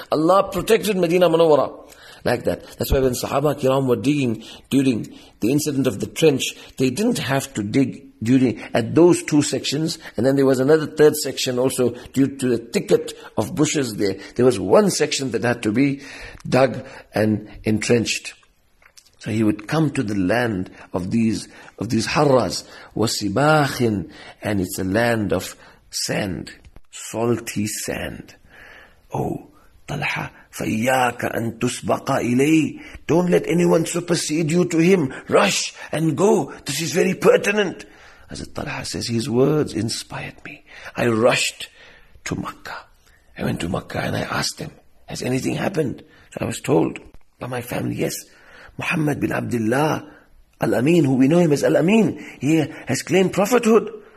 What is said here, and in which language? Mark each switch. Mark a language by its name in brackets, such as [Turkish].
[English] Allah protected Medina Munawwara like that. That's why when Sahaba Kiram were digging during the incident of the trench, they didn't have to dig during at those two sections, and then there was another third section also due to the thicket of bushes there. There was one section that had to be dug and entrenched. So he would come to the land of these harras, wasibakhin, and it's a land of sand, salty sand. [Arabic] Oh, Talha, فَإِيَّاكَ أَن تُسْبَقَ إِلَيْهِ. [English] Don't let anyone supersede you to him. Rush and go. This is very pertinent. Hazrat Talha says, his words inspired me. I rushed to Makkah. I went to Makkah and I asked them, has anything happened? So I was told by my family, yes, Muhammad bin Abdullah Al-Amin, who we know him as Al-Amin, he has claimed prophethood.